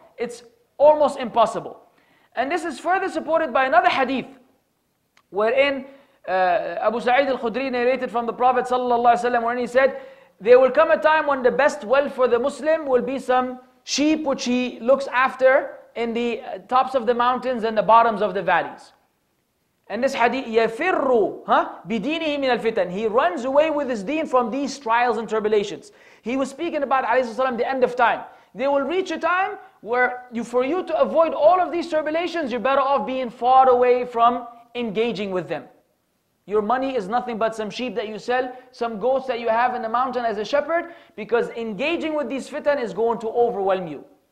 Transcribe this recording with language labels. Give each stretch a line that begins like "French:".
English: It's almost impossible. And this is further supported by another hadith, wherein Abu Sa'id al-Khudri narrated from the Prophet sallallahu alaihi wasallam, wherein he said, there will come a time when the best wealth for the Muslim will be some sheep which he looks after in the tops of the mountains and the bottoms of the valleys. And this hadith,
Arabic: يَفِرُّ بِدِينِهِ مِنَ الْفِتَنِ.
English: He runs away with his deen from these trials and tribulations. He was speaking about, alayhi salam, the end of time. There will reach a time where for you to avoid all of these tribulations, you're better off being far away from engaging with them. Your money is nothing but some sheep that you sell, some goats that you have in the mountain as a shepherd, because engaging with these fitan is going to overwhelm you.